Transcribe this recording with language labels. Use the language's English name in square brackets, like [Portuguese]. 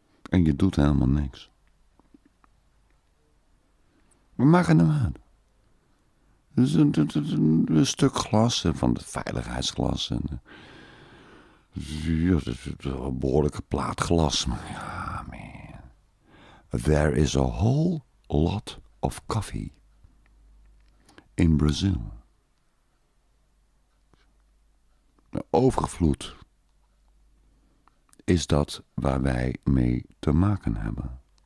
[Dutch] En je doet helemaal niks. We maken hem uit. Dus een stuk glas van het veiligheidsglas. En, ja, dat is een behoorlijke plaat glas. Maar ja, man. [English] There is a whole lot of coffee in Brazil. [Dutch] Overvloed is dat waar wij mee te maken hebben.